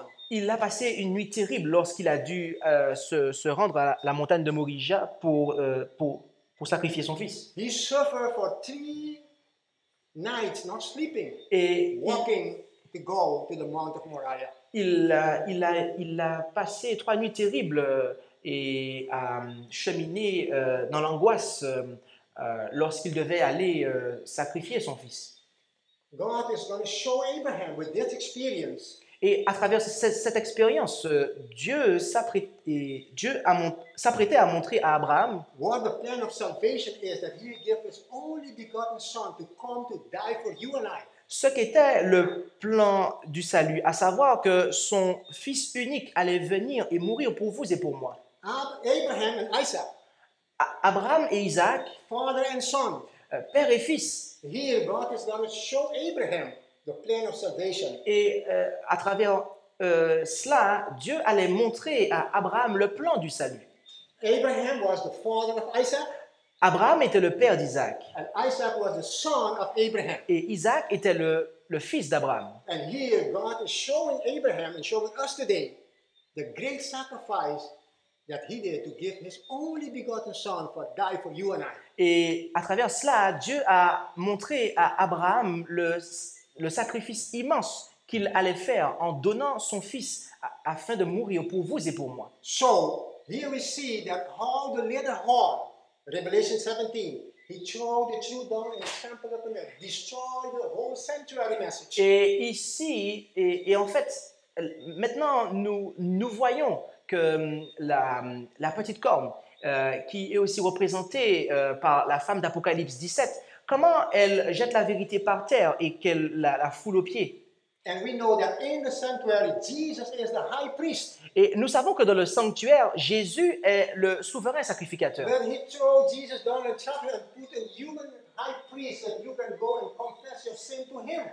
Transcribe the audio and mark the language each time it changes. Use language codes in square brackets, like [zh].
[fr] Il a passé une nuit terrible lorsqu'il a dû se rendre à la montagne de Morija pour sacrifier son fils. [en] He suffered for three nights not sleeping, walking to go to the Mount of Moriah. [fr] Il a passé trois nuits terribles et a cheminé dans l'angoisse. Lorsqu'il devait aller sacrifier son fils. [en] God is going to show Abraham with this experience. [fr] Et à travers cette expérience, Dieu s'apprêtait à montrer à Abraham [en] what the plan of salvation is, that he gave his only begotten son to come to die for you and I. [fr] Ce qu'était le plan du salut, à savoir que son fils unique allait venir et mourir pour vous et pour moi. [en] Abraham and Isaac. [fr] Abraham et Isaac, [en] father and son, [fr] père et fils. [en] Here God is going to show Abraham the plan of salvation. [fr] Et à travers cela, Dieu allait montrer à Abraham le plan du salut. [en] Abraham was the father of Isaac. [fr] Abraham était le père d'Isaac. [en] And Isaac was the son of Abraham. [fr] Et Isaac était le fils d'Abraham. [en] And here God is showing Abraham and showing us today the great sacrifice that he did to give his only begotten son for die for you and I. [fr] Et à travers cela, Dieu a montré à Abraham le sacrifice immense qu'il allait faire en donnant son fils afin de mourir pour vous et pour moi. [en] So, here we see that how the little horn, Revelation 17, He chopped the tree down in the temple of the Lord, destroyed the whole sanctuary message. [fr] Et ici, et en fait, maintenant nous voyons que la petite corne, qui est aussi représentée par la femme d'Apocalypse 17, comment elle jette la vérité par terre et qu'elle la foule aux pieds. [en] And we know that in the sanctuary, Jesus is the high priest. [fr] Et nous savons que dans le sanctuaire, Jésus est le souverain sacrificateur. [en] When he threw Jesus down the chapel and put a human high priest, and you can go and confess your sin to him.